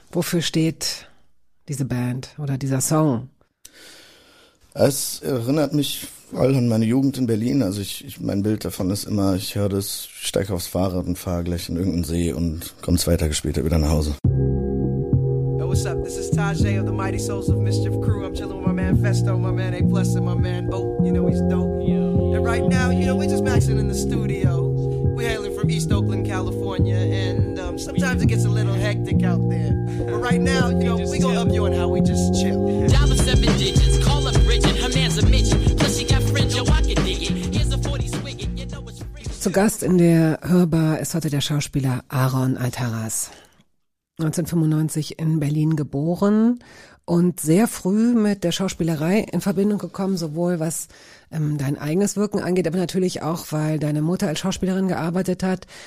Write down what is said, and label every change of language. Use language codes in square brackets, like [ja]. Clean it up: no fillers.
[de] Wofür steht diese Band oder dieser Song? Es erinnert mich voll an meine Jugend in Berlin. Also mein Bild davon ist immer, ich höre das, steige aufs Fahrrad und fahre gleich in irgendeinen See und komme 2 Tage später wieder nach Hause. [en] What's up? This is Tajay of the Mighty Souls of Mischief Crew. I'm chilling with my man Festo, my man A-Plus, and my man Bo. You know, he's dope. And right now, you know, we're just maxing in the studio. We're hailing from East Oakland, California, and sometimes it gets a little hectic out there. But right now, you know, we gonna up you on how we just chill. Down to 7 digits, call up Bridget, her man's a midget. Plus she got friends, yo, I can dig it. Here's a 40 swig it, you know it's free. [de] Zu Gast in der Hörbar ist heute der Schauspieler Aaron Alteraz. 1995 in Berlin geboren und sehr früh mit der Schauspielerei in Verbindung gekommen, sowohl was dein eigenes Wirken angeht, aber natürlich auch, weil deine Mutter als Schauspielerin gearbeitet hat.